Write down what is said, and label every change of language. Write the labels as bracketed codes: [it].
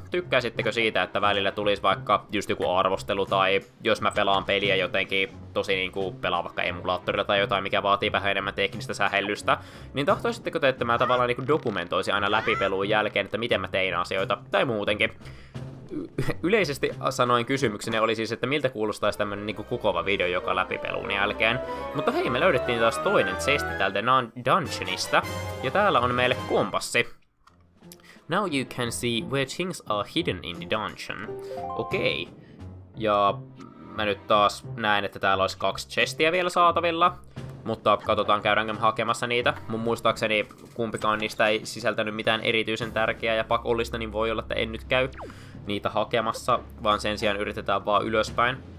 [fi] Tykkäisittekö siitä, että välillä tulisi vaikka just joku arvostelu, tai jos mä pelaan peliä jotenkin tosi niinku pelaan vaikka emulaattorilla tai jotain, mikä vaatii vähän enemmän teknistä sähellystä, niin tahtoisitteko te, että mä tavallaan niinku dokumentoisin aina läpipeluun jälkeen, että miten mä tein asioita, tai muutenkin. Yleisesti sanoin kysymyksenä oli siis, että miltä kuulostaisi tämmönen niinku kukova video joka läpipeluun jälkeen. Mutta hei, me löydettiin taas toinen testi täältä Dungeonista. Ja täällä on meille kompassi. [en] Now you can see where things are hidden in the dungeon. [fi] Okei. Ja mä nyt taas näen, että täällä olisi kaksi chestiä vielä saatavilla. Mutta katsotaan, käydäänkö me hakemassa niitä. Mun muistaakseni kumpikaan niistä ei sisältänyt mitään erityisen tärkeää ja pakollista, niin voi olla, että en nyt käy niitä hakemassa, vaan sen sijaan yritetään vaan ylöspäin.